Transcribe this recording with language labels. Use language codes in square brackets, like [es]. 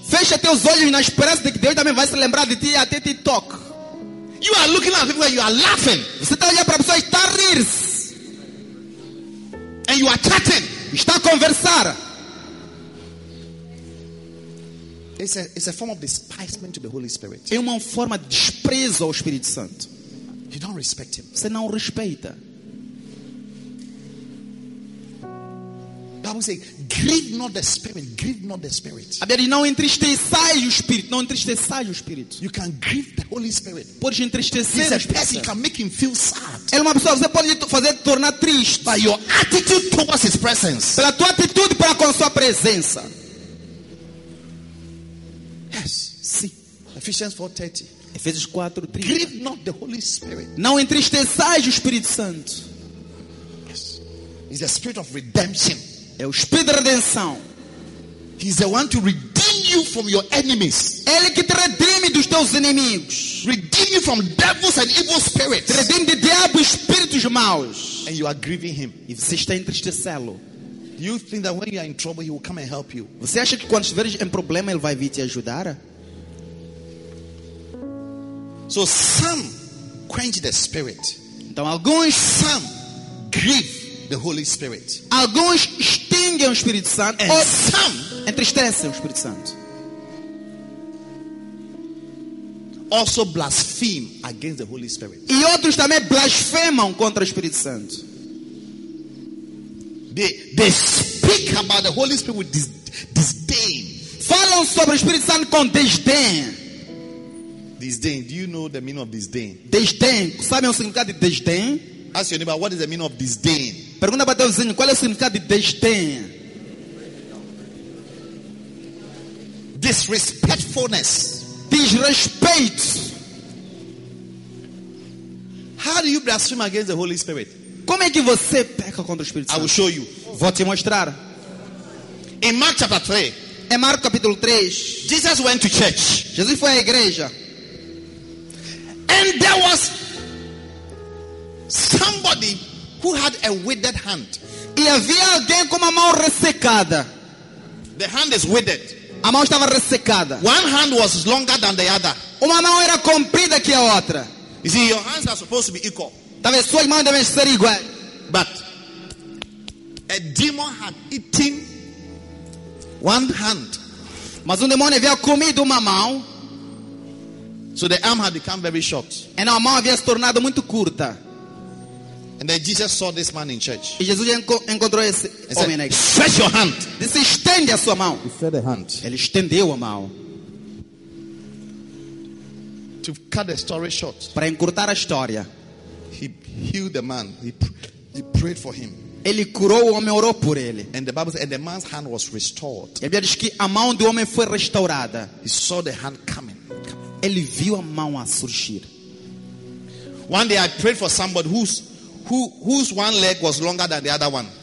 [pt] Fecha teus olhos na esperança de que Deus também vai se lembrar de ti e até te toque. [en] You are looking at people and you are laughing. [pt] Você está olhando para pessoas e está a rir. [en] And you are chatting. [pt] Está a conversar. [en] It's a form of despisement to the Holy Spirit. [pt] É uma forma de desprezo ao Espírito Santo. [en] You don't respect him. [pt] Você não o respeita. [en] The Bible says, grieve not the Spirit. Grieve not the Spirit. [pt] A Bíblia diz, não entristeçais o Espírito. Não entristeçais o Espírito. [en] You can grieve the Holy Spirit. [pt] Podes entristecer o Espírito. [en] You can make him feel sad. [pt] É uma pessoa, você pode fazer tornar triste. [en] By your attitude towards his presence. [pt] Pela tua atitude para com sua presença. [en] Yes. [pt] Sim. [en] Ephesians 4:30. [pt] Efésios 4:30. [en] Grieve not the Holy Spirit. [pt] Não entristeçais o Espírito Santo. [en] Yes. It's the Spirit of redemption. [pt] É o Espírito da redenção. [en] He's the one to redeem you from your enemies. [pt] Ele que te redime dos teus inimigos. [en] Redeem you from devils and evil spirits. [pt] Redeem de diabo e espíritos maus. [en] And you are grieving him. [pt] E você está entristecendo. [en] You think that when you are in trouble, he will come and help you? [pt] Você acha que quando estiveres em problema ele vai vir te ajudar? [en] So some quench the spirit. [pt] Então alguns [en] some grieve the Holy Spirit. [pt] Alguns extinguem o Espírito Santo. [en] And some [pt] entristecem o Espírito Santo. [en] Also blaspheme against the Holy Spirit. [pt] E outros também blasfemam contra o Espírito Santo. [en] They speak about the Holy Spirit with disdain. [pt] Falam sobre o Espírito Santo com desdém. [en] Disdain. Do you know the meaning of disdain? [pt] Desdém. Sabe o significado de desdém? [en] Ask your neighbor, what is the meaning of disdain? [pt] Pergunta para teu vizinho, qual é o significado de desdém? [en] Disrespectfulness. [pt] Desrespeito. [en] How do you blaspheme against the Holy Spirit? [pt] Como é que você peca contra o Espírito Santo? [en] I will show you. [pt] Vou te mostrar. [en] In Mark chapter 3. [pt] Em Marcos capítulo 3. [en] Jesus went to church. [pt] Jesus foi à igreja. [en] And there was somebody who had a withered hand. [pt] E havia alguém com uma mão ressecada. [en] The hand is withered. [pt] A mão estava ressecada. [en] One hand was longer than the other. [pt] Uma mão era comprida que a outra. [en] You see, your hands are supposed to be equal. [pt] Talvez sua irmã deve ser igual. [en] But a demon had eaten one hand. [pt] Mas um demônio havia comido uma mão. [en] So the arm had become very short. [pt] E a mão havia se tornado muito curta. [en] And then Jesus saw this man in church. [pt] E Jesus encontrou esse homem na igreja. [en] Stretch your hand. [pt] Disse, estende a sua mão. [en] He said a hand. [pt] Ele estendeu a mão. [en] To cut the story short. [pt] Para encurtar a história. [en] He healed the man. He prayed for him. [pt] Ele curou o homem, orou por ele. [en] And the Bible says, and the man's hand was restored. [pt] E a Bíblia diz que a mão do homem foi restaurada. [en] He saw the hand coming. [pt] Ele viu a mão a surgir. [en] One day I prayed for somebody whose one leg was longer than the other one.